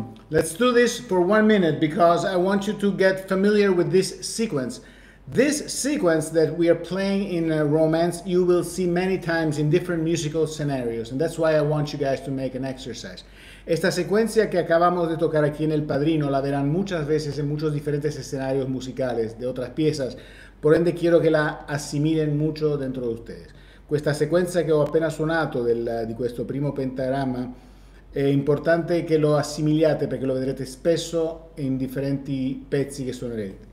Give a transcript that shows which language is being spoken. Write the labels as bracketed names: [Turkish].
[English] Let's do this for 1 minute because I want you to get familiar with this sequence. This sequence that we are playing in a romance, you will see many times in different musical scenarios, and that's why I want you guys to make an exercise. [Spanish] Esta secuencia que acabamos de tocar aquí en El Padrino la verán muchas veces en muchos diferentes escenarios musicales de otras piezas, por ende quiero que la asimilen mucho dentro de ustedes. [Italian] Questa sequenza che ho appena suonato di questo primo pentagramma è importante che lo assimiliate perché lo vedrete spesso in differenti pezzi che suonerete.